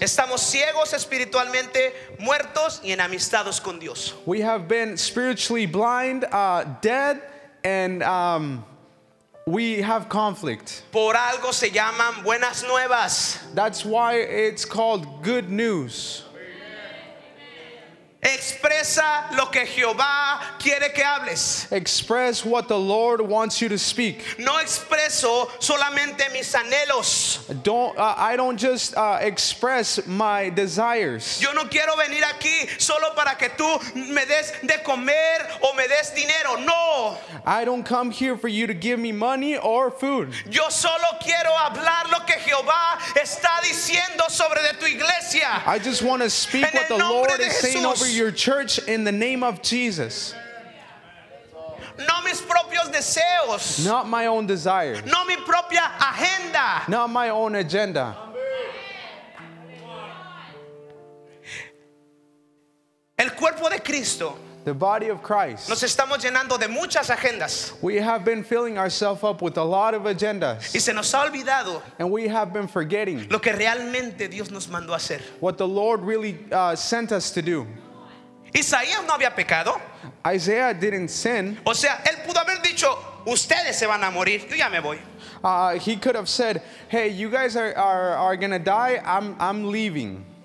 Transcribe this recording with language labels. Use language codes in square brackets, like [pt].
[es] estamos ciegos espiritualmente, muertos y enemistados con Dios. [en] We have been spiritually blind, dead, and we have conflict. [es] Por algo se llaman buenas nuevas. [en] That's why it's called good news. [es] Expresa lo que Jehová quiere que hables. [en] Express what the Lord wants you to speak. [es] No expreso solamente mis anhelos. [en] I don't just express my desires. [es] Yo no quiero venir aquí solo para que tú me des de comer o me des dinero. No. [en] I don't come here for you to give me money or food. [es] Yo solo quiero hablar lo que Jehová está diciendo sobre de tu iglesia. [en] I just want to speak what the Lord is saying over your church in the name of Jesus. [es] No mis propios deseos. [en] Not my own desires. [es] No mi propia agenda. [en] Not my own agenda. [es] El cuerpo de Cristo. [en] The body of Christ. [es] Nos estamos llenando de muchas agendas. [en] We have been filling ourselves up with a lot of agendas. [es] Y se nos ha olvidado. [en] And we have been forgetting [es] lo que realmente Dios nos mandó a hacer. [en] What the Lord really sent us to do. [es] Isaías no había pecado. [en] Isaiah didn't sin. [es] O sea, él pudo haber dicho, ustedes se van a morir, yo ya me voy. [en] He could have said, hey, you guys are going to die, I'm leaving.